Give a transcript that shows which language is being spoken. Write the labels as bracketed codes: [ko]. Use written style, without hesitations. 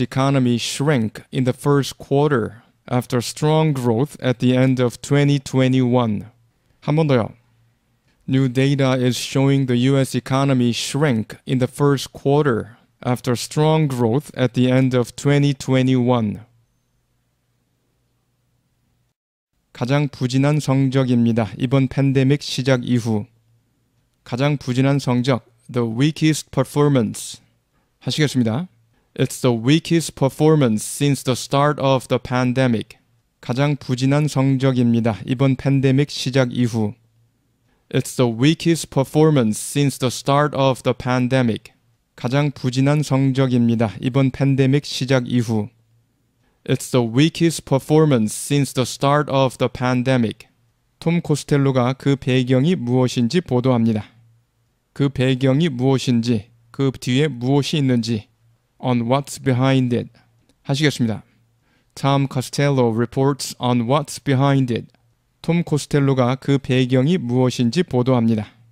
[en] economy shrank in the first quarter after strong growth at the end of 2021. [ko] 한 번 더요. [en] New data is showing the U.S. economy shrank in the first quarter after strong growth at the end of 2021. [ko] 가장 부진한 성적입니다. 이번 팬데믹 시작 이후 가장 부진한 성적 [en] The weakest performance. [ko] 하시겠습니다. [en] It's the weakest performance since the start of the pandemic. [ko] 가장 부진한 성적입니다. 이번 팬데믹 시작 이후. [en] It's the weakest performance since the start of the pandemic. [ko] 가장 부진한 성적입니다. 이번 팬데믹 시작 이후. [en] It's the weakest performance since the start of the pandemic. [ko] 톰 코스텔로가 그 배경이 무엇인지 보도합니다. 그 배경이 무엇인지, 그 뒤에 무엇이 있는지 [en] On what's behind it [ko] 하시겠습니다. [en] Tom Costello reports on what's behind it. [ko] 톰 코스텔로가 그 배경이 무엇인지 보도합니다.